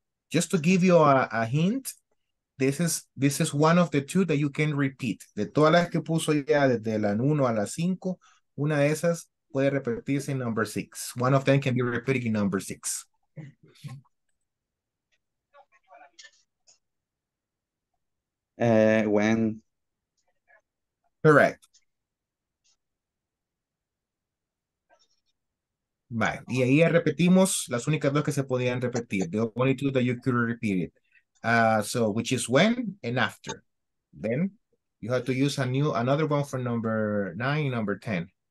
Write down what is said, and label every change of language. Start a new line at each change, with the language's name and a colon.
English: Just to give you a hint, this is one of the two that you can repeat.
Spanish: De todas las que puso ya desde la 1 a la 5, una de esas puede repetirse en number 6.
English: One of them can be repeated in number 6. When? Correct.
Spanish: Vale. Y ahí ya repetimos las únicas dos que se podían repetir.
English: The only two that you could repeat it. So, which is when and after. Then, you have to use another one for number 9, number 10.